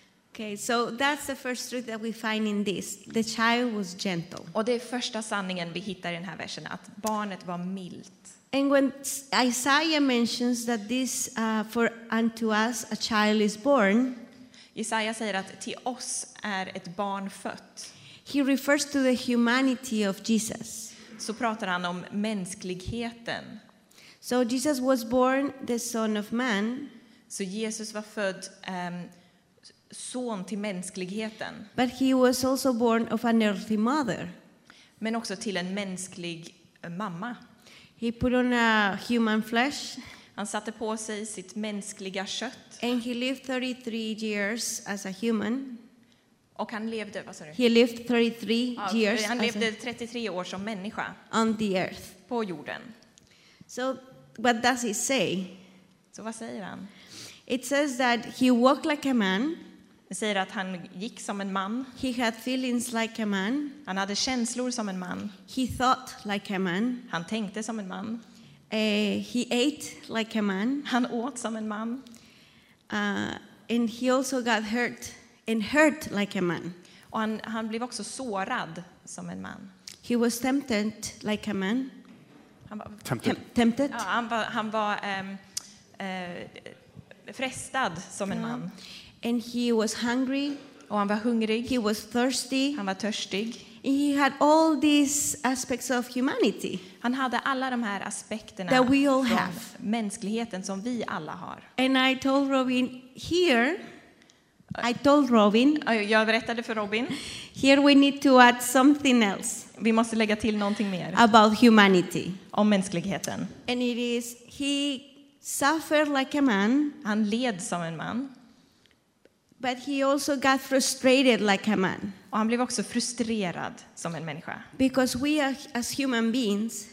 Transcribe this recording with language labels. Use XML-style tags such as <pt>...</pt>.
<en>Okay, so that's the first truth that we find in this. The child was gentle.</en> <sv>Och det är första sanningen vi hittar i den här versen, att barnet var milt.</sv> <en>And when Isaiah mentions that this for unto us a child is born,</en> <sv>Isaiah säger att till oss är ett barn fött.</sv> <en>He refers to the humanity of Jesus.</en> <sv>Så pratar han om mänskligheten.</sv> <en>So Jesus was born the son of man.</en> <sv>Så Jesus var född son till mänskligheten.</sv> <en>But he was also born of an earthly mother.</en> <sv>Men också till en mänsklig mamma.</sv> <en>He put on a human flesh.</en> <sv>Han satte på sig sitt mänskliga kött.</sv> <en>And he lived 33 years as a human.</en> <sv>Och han levde, vad sa du?</sv> <en>He lived 33 years.</en> <sv>Han levde 33 år som människa.</sv> <en>On the earth.</en> <sv>På jorden.</sv> <en>So what does he say?</en> <sv>Så vad säger han?</sv> <en>It says that he walked like a man.</en> <sv>Det säger att han gick som en man.</sv> <en>He had feelings like a man.</en> <sv>Han hade känslor som en man.</sv> <en>He thought like a man.</en> <sv>Han tänkte som en man.</sv> <en>He ate like a man.</en> <sv>Han åt som en man.</sv> <en>And he also got hurt and hurt like a man.</en> <sv>Och han blev också sårad som en man.</sv> <en>He was tempted like a man. Tempted. Tempted.</en> <sv>Ja, han var frestad som en man.</sv> <en>And he was hungry.</en> <sv>Och han var hungrig.</sv> <en>He was thirsty.</en> <sv>Han var törstig.</sv> <en>He had all these aspects of humanity.</en> <sv>Han hade alla de här aspekterna</sv> <en>that we all have.</en> <sv>Mänskligheten som vi alla har.</sv> <en>And I told Robin here. I told Robin.</en> <sv>Jag berättade för Robin.</sv> <en>Here we need to add something else.</en> <sv>Vi måste lägga till någonting mer.</sv> <en>About humanity.</en> <sv>Om mänskligheten.</sv> <en>And it is he suffered like a man.</en> <sv>Han led som en man.</sv> <en>But he also got frustrated like a man.</en> <sv>Och han blev också frustrerad som en människa.</sv> <en>Because we are as human beings.</en>